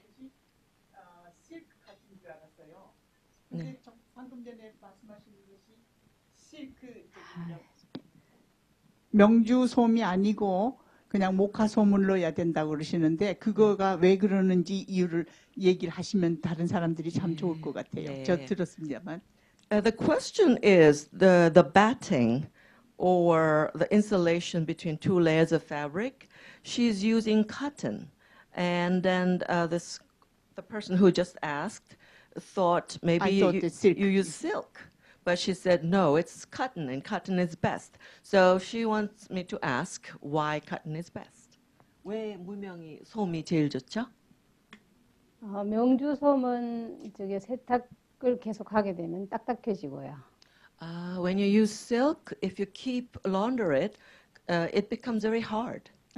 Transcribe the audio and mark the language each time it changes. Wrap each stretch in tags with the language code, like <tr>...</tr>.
<ko>그것이 실크 같은 줄 알았어요. 근데 방금 전에 말씀하신 것이 실크 쪽이군요. 명주 솜이 아니고 그냥 모카 솜을로 해야 된다고 그러시는데 그거가 왜 그러는지 이유를 얘기를 하시면 다른 사람들이 참 좋을 것 같아요. 저 네. 들었습니다만.</ko> <en>The question is the batting or the insulation between two layers of fabric. She's using cotton. And then the person who just asked thought I thought maybe the silk. you use silk, but she said no, it's cotton, and cotton is best. So she wants me to ask why cotton is best.</en> <ko>왜 무명이 솜이 제일 좋죠? 명주솜은 저게 세탁을 계속하게 되면 딱딱해지고요.</ko> <en>When you use silk, if you keep launder it, it becomes very hard.</en>